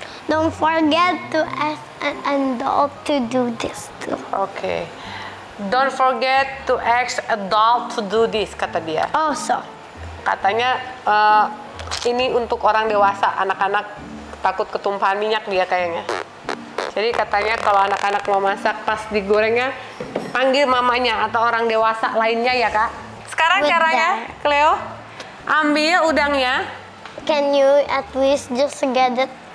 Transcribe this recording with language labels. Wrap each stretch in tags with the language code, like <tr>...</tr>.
<en>Don't forget to ask an adult to do this too. Oke. Don't forget to ask adult to do this,</en> <id>kata dia.</id> <en>Oh, so.</en> <id>Katanya ini untuk orang dewasa, anak-anak takut ketumpahan minyak dia kayaknya. Jadi katanya kalau anak-anak mau masak pas digorengnya, panggil mamanya atau orang dewasa lainnya ya, Kak. Sekarang with caranya, that. Cleo, ambil udangnya.</id> <en>Can you at least just get it?</en>